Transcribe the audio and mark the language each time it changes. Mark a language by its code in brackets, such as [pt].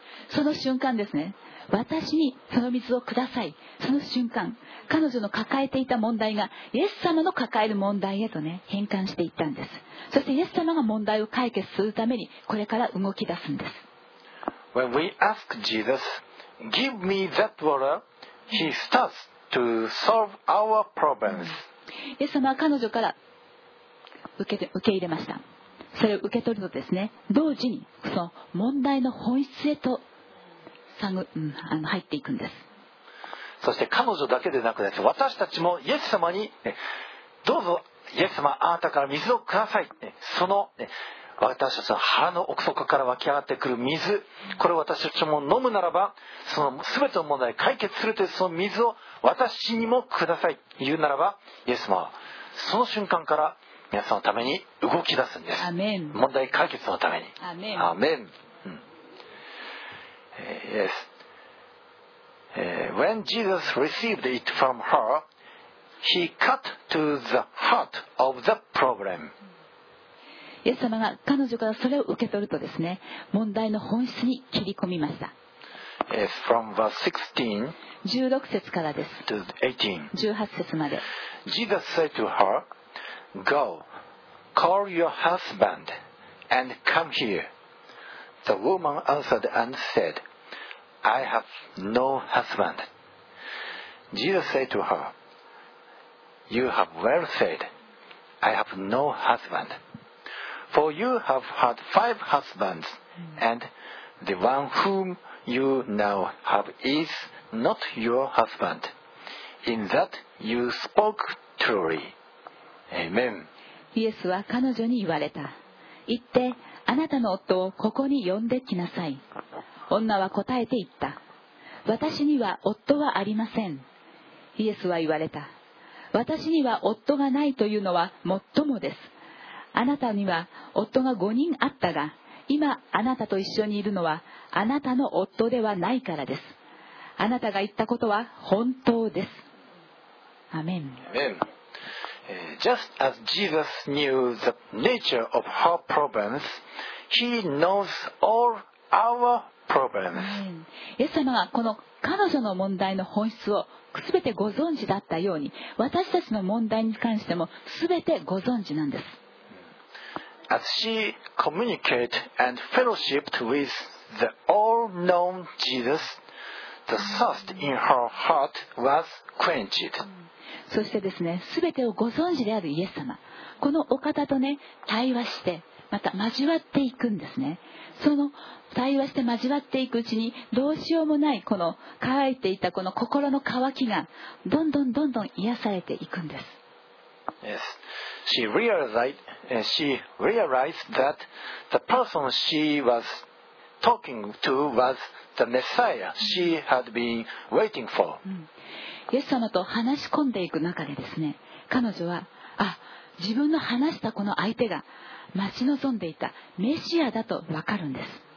[ja] その瞬間ですね。私にその水をください。その瞬間、彼女の抱えていた問題がイエス様の抱える問題へとね、変換していったんです。そしてイエス様が問題を解決するためにこれから動き出すんです。 [en] When we ask Jesus, give me that water, he starts to solve our problems. [ja] イエス様は彼女から受け入れました。それを受け取るとですね、同時にその問題の本質へと入っていくんです。そして彼女だけでなくです。私たちもイエス様に、どうぞイエス様、あなたから水をください。その私たちの腹の奥底から湧き上がってくる水、これを私たちも飲むならば、その全ての問題解決するという、その水を私にもください、言うならば、イエス様はその瞬間から皆さんのために動き出すんです。アメン。問題解決のために。アメン。アメン。 [en] Yes. When Jesus received it from her, he cut to the heart of the problem. [ja] イエス様が彼女からそれを受け取るとですね、問題の本質に切り込みました。 [en] Yes, from verse 16, [ja] 16節からです。 [en] To 18. 18 [ja] 節まで。 [en] Jesus said to her, Go, call your husband and come here. The woman answered and said,I have no husband. Jesus said to her, You have well said, I have no husband. For you have had five husbands, and the one whom you now have is not your husband. In that you spoke truly. Amen. [ja] イエスは彼女に言われた。行って、あなたの夫をここに呼んできなさい。女は答えて言った。私には夫はありません。イエスは言われた。私には夫がないというのはもっともです。あなたには夫が5人あったが、今あなたと一緒にいるのはあなたの夫ではないからです。あなたが言ったことは本当です。アメン。アメン。 [en] Just as Jesus knew the nature of her problems, He knows all our problems. [ja] イエス様はこの彼女の問題の本質をすべてご存知だったように、私たちの問題に関してもすべてご存知なんです。 [en] As she communicated and fellowshipped with the all-known Jesus, the thirst in her heart was quenched. [ja] そしてですね、すべてをご存知であるイエス様、このお方とね、対話して、また交わっていくんですね。その対話して交わっていくうちに、どうしようもないこの渇いていたこの心の渇きが、どんどんどんどん癒されていくんです。 [en] Yes. She realized that the person she was talking to was the Messiah she had been waiting for. [ja] イエス様と話し込んでいく中でですね、彼女は、あ、自分の話したこの相手が待ち望んでいたメシアだと分かるんです。